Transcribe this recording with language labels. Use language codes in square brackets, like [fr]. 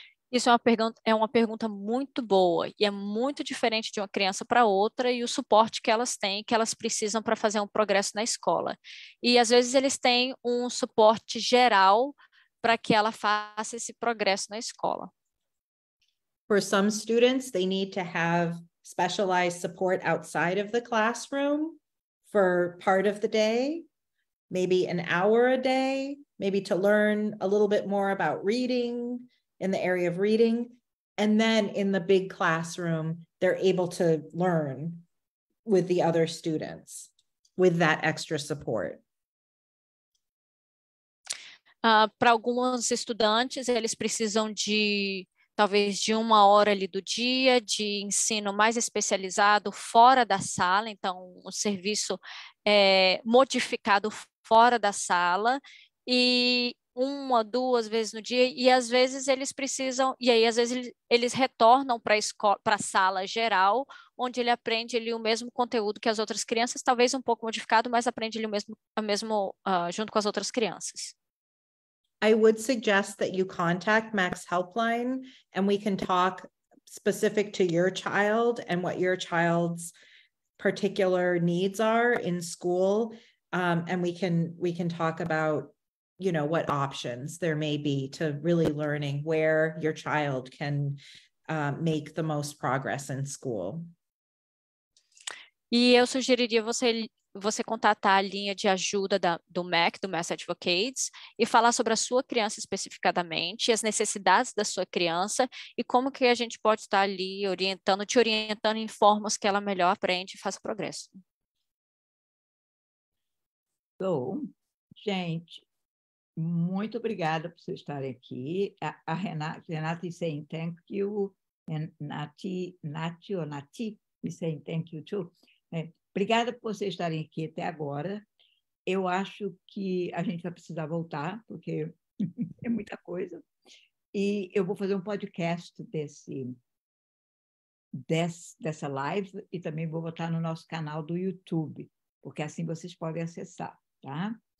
[pt] Isso é uma pergunta muito boa, e é muito diferente de uma criança para outra e o suporte que elas têm, que elas precisam para fazer um progresso na escola. E às vezes eles têm um suporte geral para que ela faça esse progresso na escola. [en] For some students, they need to have specialized support outside of the classroom for part of the day, maybe an hour a day, maybe to learn a little bit more about reading, in the area of reading, and then in the big classroom, they're able to learn with the other students with that extra support. [pt] Para alguns estudantes, eles precisam de talvez de uma hora ali do dia de ensino mais especializado fora da sala. Então, o serviço é modificado fora da sala e uma, duas vezes no dia. E às vezes eles precisam, e aí às vezes eles retornam para a escola, para a sala geral, onde ele aprende ali o mesmo conteúdo que as outras crianças, talvez um pouco modificado, mas aprende ali o mesmo junto com as outras crianças. [en] I would suggest that you contact Max Helpline and we can talk specific to your child and what your child's particular needs are in school. And we can talk about, you know, what options there may be to really learning where your child can make the most progress in school. [pt] E eu sugeriria você contatar a linha de ajuda do MAC, do Mass Advocates, e falar sobre a sua criança especificadamente, as necessidades da sua criança, e como que a gente pode estar ali orientando, te orientando em formas que ela melhor aprende e faça progresso. Bom, gente, muito obrigada por vocês estarem aqui. [en] A Renata, is saying thank you, and Nati is saying thank you too. [pt] Obrigada por vocês estarem aqui até agora. Eu acho que a gente vai precisar voltar, porque é muita coisa. E eu vou fazer um podcast dessa live e também vou botar no nosso canal do YouTube, porque assim vocês podem acessar, tá?